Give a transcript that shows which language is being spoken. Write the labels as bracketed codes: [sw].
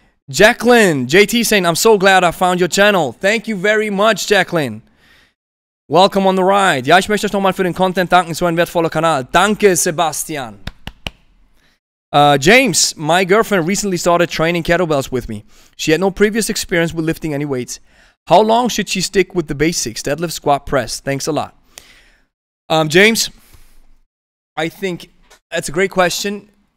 [en] Jacqueline, JT saying, I'm so glad I found your channel. Thank you very much, Jacqueline. Welcome on the ride. [de] Ja, ich möchte euch nochmal für den Content danken, so ein wertvoller Kanal. Danke, Sebastian. [en] James, my girlfriend recently started training kettlebells with me. She had no previous experience with lifting any weights. How long should she stick with the basics? Deadlift, squat, press. Thanks a lot. James, I think that's a great question.